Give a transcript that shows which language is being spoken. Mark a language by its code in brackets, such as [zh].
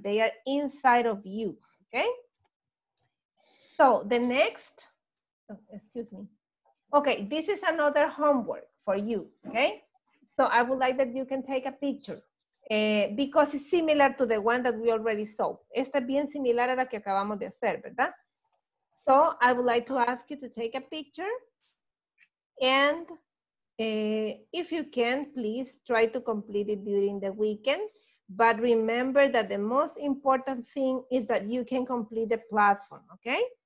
[en] They are inside of you, okay? So the next, Okay, this is another homework for you, okay? So I would like that you can take a picture because it's similar to the one that we already saw. [es] Esta bien similar a la que acabamos de hacer, ¿verdad? [en] So I would like to ask you to take a picture and if you can, please try to complete it during the weekend. But remember that the most important thing is that you can complete the platform, okay?